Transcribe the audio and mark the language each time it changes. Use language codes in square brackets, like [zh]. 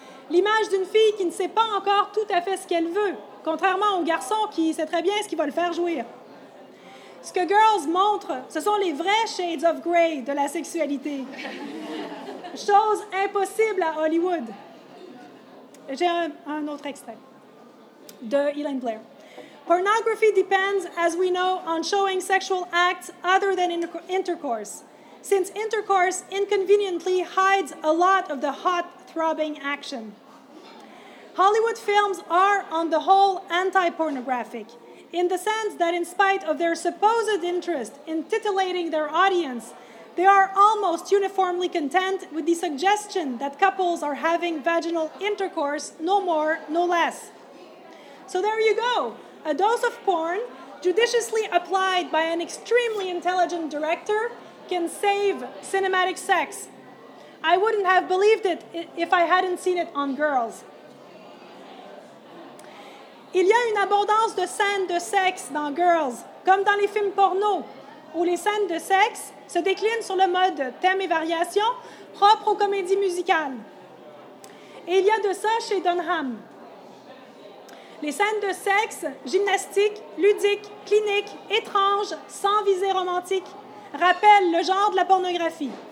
[fr] L'image d'une fille qui ne sait pas encore tout à fait ce qu'elle veut, contrairement au garçon qui sait très bien ce qui va le faire jouir. Ce que Girls montre, ce sont les vrais shades of grey de la sexualité. Chose impossible à Hollywood. J'ai un autre extrait de Elaine Blair. [en] Pornography depends, as we know, on showing sexual acts other than intercourse, since intercourse inconveniently hides a lot of the hot, throbbing action. Hollywood films are, on the whole, anti-pornographic, in the sense that in spite of their supposed interest in titillating their audience, they are almost uniformly content with the suggestion that couples are having vaginal intercourse, no more, no less. So there you go. A dose of porn, judiciously applied by an extremely intelligent director, can save cinematic sex. I wouldn't have believed it if I hadn't seen it on Girls. [fr] Il y a une abondance de scènes de sexe dans Girls, comme dans les films porno, où les scènes de sexe se déclinent sur le mode thème et variation propre aux comédies musicales. Et il y a de ça chez Dunham. Les scènes de sexe, gymnastiques, ludiques, cliniques, étranges, sans visée romantique, rappellent le genre de la pornographie.